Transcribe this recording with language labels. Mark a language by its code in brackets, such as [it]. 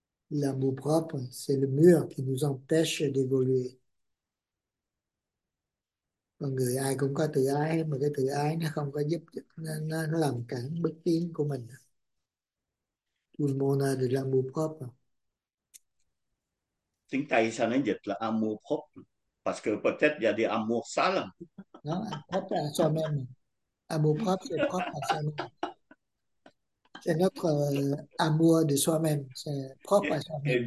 [fr] L'amour propre, c'est le mur qui nous empêche d'évoluer. [vi] Con người ai cũng có tự ái, mà cái tự ái nó không có giúp, nó làm cản bước tiến của mình. [fr] Tout le monde a de l'amour propre. [vi] Tiếng Tây sao nó dịch là amour propre? [fr] Parce que peut-être y a des amours sales. Non, propre à soi-même. Amour propre, c'est propre à soi-même. C'est notre amour de soi-même, c'est propre à soi-même.